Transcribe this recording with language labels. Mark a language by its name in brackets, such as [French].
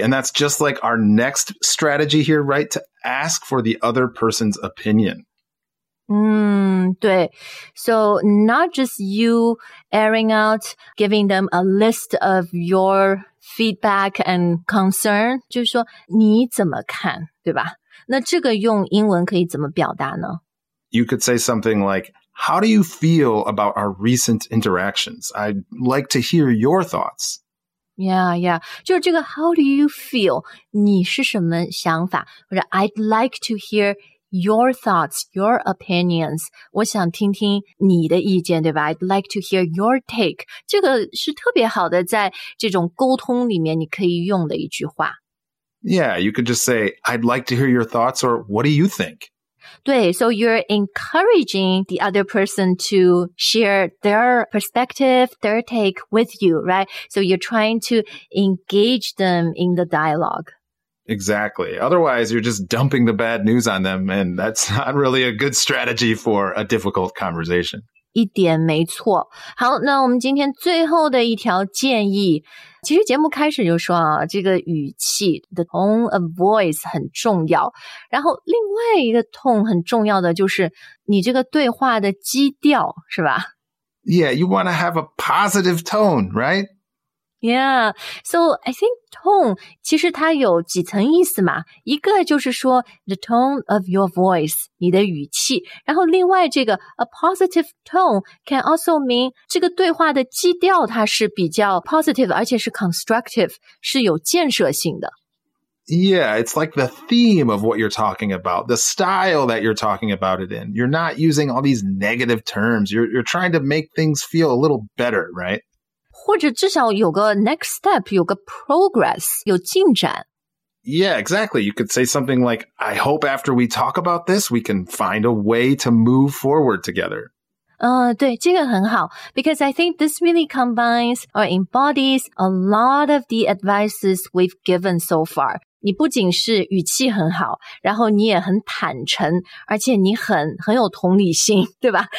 [English] And that's just like our next strategy here, right? To ask for the other person's opinion. [Chinese] 对。 [English] So not just you airing out, giving them a list of your feedback and concern. [Chinese] 就是说你怎么看，对吧？那这个用英文可以怎么表达呢？ [English] You could say something like, how do you feel about our recent interactions? I'd like to hear your thoughts. Yeah, yeah. [Chinese] 就是这个 [English] how do you feel? [Chinese] 你是什么想法？或者 [English] I'd like to hear your thoughts, your opinions. [Chinese] 我想听听你的意见，对吧？ [English] I'd like to hear your take. [Chinese] 这个是特别好的在这种沟通里面你可以用的一句话。 [English] Yeah, you could just say, I'd like to hear your thoughts or what do you think? [Chinese] 对 [English] so you're encouraging the other person to share their perspective, their take with you, right? So you're trying to engage them in the dialogue. Exactly. Otherwise, you're just dumping the bad news on them, and that's not really a good strategy for a difficult conversation. [Chinese] 一点没错。好，那我们今天最后的一条建议，其实节目开始就说啊，这个语气 [English] the tone of voice [Chinese] 很重要。然后另外一个 tone 很重要的就是你这个对话的基调，是吧？ [English] Yeah, you want to have a positive tone, right? Yeah, so I think [Chinese] tone 其实它有几层意思嘛。一个就是说 [English] the tone of your voice, [Chinese] 你的语气。然后另外这个 [English] a positive tone can also mean [Chinese] 这个对话的基调它是比较 positive, 而且是 constructive, 是有建设性的。 [English] Yeah, it's like the theme of what you're talking about, the style that you're talking about it in. You're not using all these negative terms. You're trying to make things feel a little better, right? [Chinese] 或者至少有个 [English] next step, [Chinese] 有个 progress, 有进展。 [English] Yeah, exactly. You could say something like, I hope after we talk about this, we can find a way to move forward together. [Chinese] 对,这个很好。 [English] Because I think this really combines or embodies a lot of the advices we've given so far. [Chinese] 你不仅是语气很好,然后你也很坦诚,而且你很有同理心,对吧?